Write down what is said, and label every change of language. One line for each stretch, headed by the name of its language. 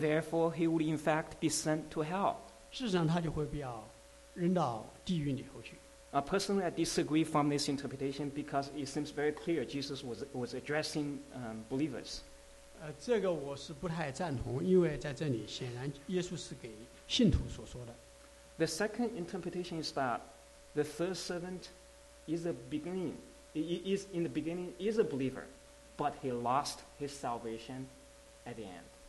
English: therefore, he would in fact be sent to hell.
Chinese: 事实上，他就会被扔到地狱里头去。
English: Personally, I disagree from this interpretation because it seems very clear Jesus was addressing believers.
Chinese: 这个我是不太赞同，因为在这里显然耶稣是给信徒所说的。
English: The second interpretation is that the third servant is a beginning, is in the beginning, is a believer, but he lost his salvation at the end.